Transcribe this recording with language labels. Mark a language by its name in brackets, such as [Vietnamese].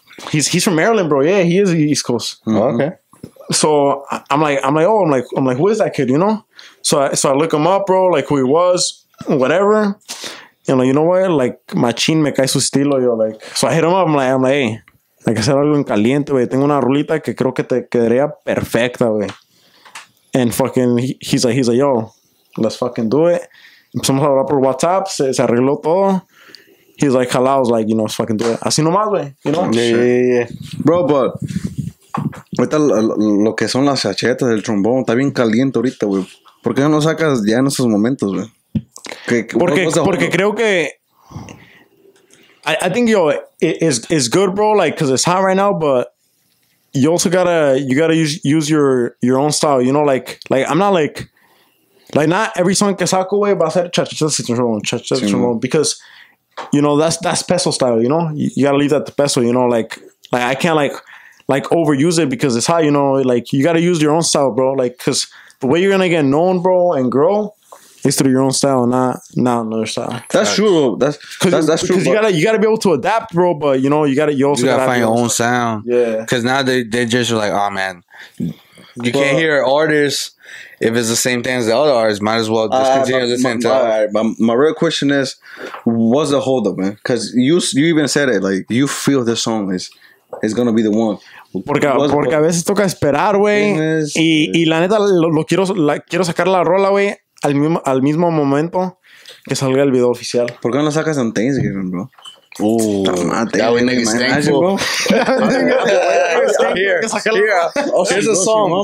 [English] He's from Maryland, bro. Yeah, he is East Coast. Mm-hmm. Oh, okay. So I'm like, who is that kid? You know. So I look him up, bro. Like who he was, whatever. You know, like, you know what? Like machine [Spanish] me cae su estilo, [English] yo. Like so I hit him up. I'm like, hey. [Spanish] Hay que hacer algo en caliente, güey. Tengo una rulita que creo que te quedaría perfecta, güey. [English] And fucking, he's a yo, let's fucking do it. [Spanish] Empezamos a hablar por WhatsApp, se arregló todo. [English] He's like, hello, I was like, you know, let's fucking do it. [Spanish] Así nomás, güey, [English] you know? Yeah. Bro, but, [Spanish] ahorita lo que son las chachetas del trombón, está bien caliente ahorita, güey. ¿Por qué no lo sacas ya en esos momentos, güey? Porque creo que... [English] I think, yo, it's good, bro, like, because it's hot right now, but you also gotta, use your own style, you know, like, I'm not, like, not every song [Spanish] que saco, güey, va a ser chachita, [English] because, you know, that's peso style, you know, you gotta leave that to peso, you know, like, I can't, like, overuse it, because it's hot, you know, like, you gotta use your own style, bro, like, because the way you're gonna get known, bro, and grow... It's through your own style, not another style. That's true. That's true. Because you gotta be able to adapt, bro. But you know, you gotta find your own sound. Yeah. Because now they just are like, oh man, you can't hear artists if it's the same thing as the other artists. Might as well just continue listening to. My real question is, what's the hold up, man? Because you even said it, like you feel this song is gonna be the one. [Spanish] Porque a veces toca esperar, güey. Y la neta quiero sacar la rola, güey. Al mismo momento que salga el video oficial. ¿Por qué no sacas en Thanksgiving, bro? [English] Yeah, we niggas thankful. Here's a song, bro.